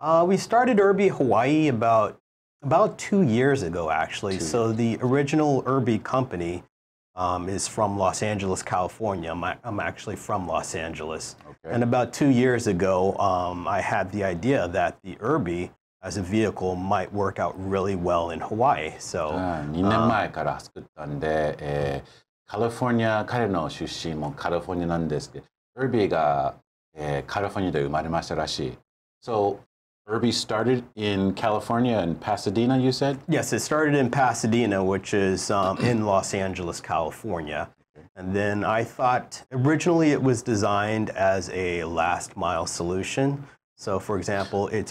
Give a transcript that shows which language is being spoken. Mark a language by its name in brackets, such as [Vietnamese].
[English] We started URB-e Hawaii about 2 years ago, actually. Two. So the original URB-e company is from Los Angeles, California. I'm actually from Los Angeles. Okay. And about 2 years ago, I had the idea that the URB-eas a vehicle might work out really well in Hawaii. So, [Japanese] 2年前から作ったんで、カリフォルニア、彼の出身もカリフォルニアなんですけど、URB-e が、カリフォルニアで生まれましたらしい。 [English] So, URB-e started in California, in Pasadena, you said? Yes, it started in Pasadena, which is in Los Angeles, California. Okay. And then I thought originally it was designed as a last mile solution. So for example, it's